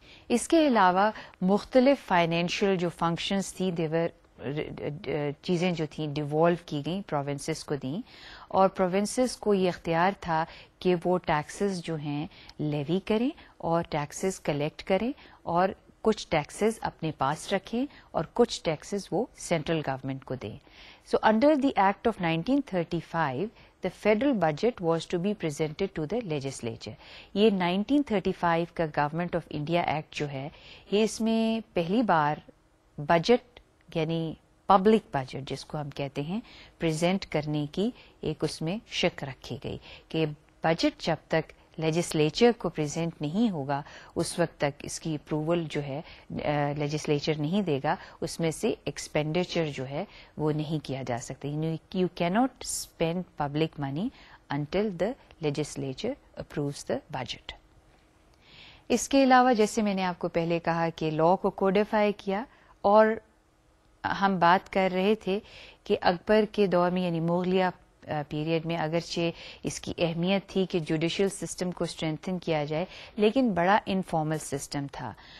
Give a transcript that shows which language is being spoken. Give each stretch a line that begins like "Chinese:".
Urdu: اس کے علاوہ مختلف فائنینشیل جو فنکشنز تھیں دیور چیزیں جو تھیں ڈیوالو کی گئیں, پروونسز کو دیں, اور پروونسز کو یہ اختیار تھا کہ وہ ٹیکسز جو ہیں لیوی کریں اور ٹیکسز کلیکٹ کریں, اور کچھ ٹیکسز اپنے پاس رکھیں اور کچھ ٹیکسز وہ سینٹرل گورنمنٹ کو دیں.
English: So under the act of 1935 the federal budget was to be presented to the legislature.
Urdu: یہ 1935 کا گورنمنٹ آف انڈیا ایکٹ جو ہے یہ اس میں پہلی بار بجٹ یعنی پبلک بجٹ جس کو ہم کہتے ہیں پریزنٹ کرنے کی ایک اس میں شک رکھی گئی کہ بجٹ جب تک لیجسلیچر کو پریزنٹ نہیں ہوگا اس وقت تک اس کی اپروول جو ہے لیجسلیچر نہیں دے گا, اس میں سے ایکسپینڈیچر جو ہے وہ نہیں کیا جا سکتا.
English: You cannot spend public money until the legislature approves the budget.
Urdu: اس کے علاوہ جیسے میں نے آپ کو پہلے کہا کہ لا کو کوڈیفائی کیا, اور ہم بات کر رہے تھے کہ اکبر کے دور میں یعنی مغلیہ پیریڈ میں اگرچہ اس کی اہمیت تھی کہ جوڈیشل سسٹم کو اسٹرینتھن کیا جائے, لیکن بڑا انفارمل سسٹم تھا.